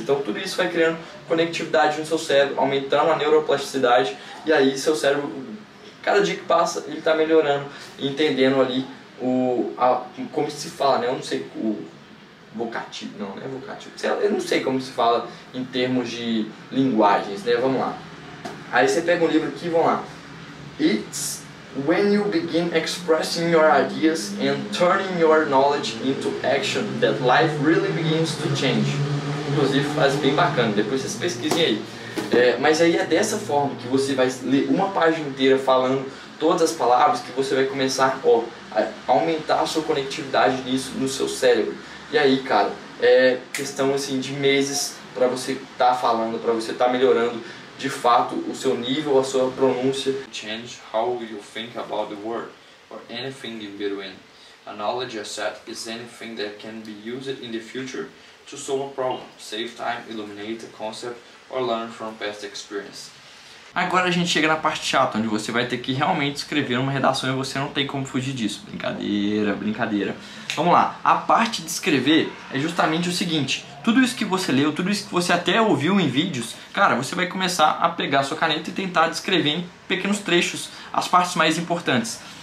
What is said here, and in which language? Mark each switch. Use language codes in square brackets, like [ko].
[pt] Então tudo isso vai criando conectividade no seu cérebro, aumentando a neuroplasticidade, e aí seu cérebro, cada dia que passa, ele está melhorando, entendendo ali como se fala, né? Eu não sei, vocativo, eu não sei como se fala em termos de linguagens, né? Vamos lá. Aí você pega um livro aqui, vamos lá. [en] It's when you begin expressing your ideas and turning your knowledge into action that life really begins to change. [pt] Inclusive, faz bem bacana, depois vocês pesquisem aí. Mas aí é dessa forma que você vai ler uma página inteira falando todas as palavras, que você vai começar a aumentar a sua conectividade nisso no seu cérebro. E aí, cara, é questão assim de meses para você estar falando, para você estar melhorando de fato o seu nível, a sua pronúncia. [en] Change how you think about the world or anything in between. A knowledge asset is anything that can be used in the future to solve a problem, save time, illuminate a concept, or learn from past experience. [pt] Agora a gente chega na parte chata, onde você vai ter que realmente escrever uma redação e você não tem como fugir disso. Brincadeira, brincadeira. Vamos lá. A parte de escrever é justamente o seguinte. Tudo isso que você leu, tudo isso que você até ouviu em vídeos, cara, você vai começar a pegar a sua caneta e tentar descrever em pequenos trechos as partes mais importantes.